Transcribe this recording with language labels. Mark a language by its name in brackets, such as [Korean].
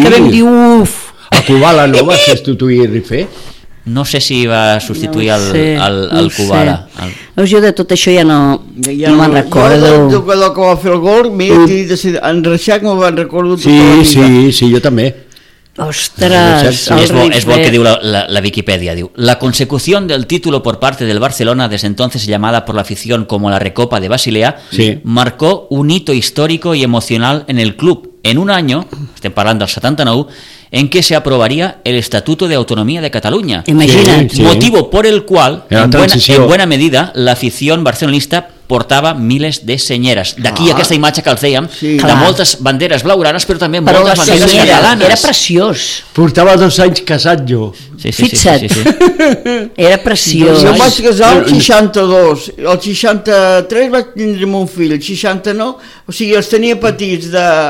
[Catalan] Que vam dir, uf! A Kubala no va substituir Rifé? No sé si va substituir el Kubala. No, jo de tot això ja no me'n recordo. Jo del jugador que va fer el gol, en Reixac me'n van recordar. Sí, jo també. Ostres, es lo que diu la Wikipedia, diu: [Spanish] la consecución del título por parte del Barcelona, desde entonces llamada por la afición como la Recopa de Basilea, sí, marcó un hito histórico y emocional en el club, en un año, [Catalan] estem parlant del 79, [Spanish] en que se aprobaría el Estatuto de Autonomía de Cataluña. Imagina, sí, sí. Motivo por el cual, en buena medida, la afición barcelonista [Catalan] portava milers de senyeres. D'aquí aquesta imatge que els dèiem, sí, de moltes banderes blaugranes, però també però moltes banderes senyera, catalanes. Era preciós. Portava 2 anys casat jo. Sí. Era preciós. Jo vaig casar el 62, el 63 vaig tindre un fill, el 69, o sigui, els tenia petits de...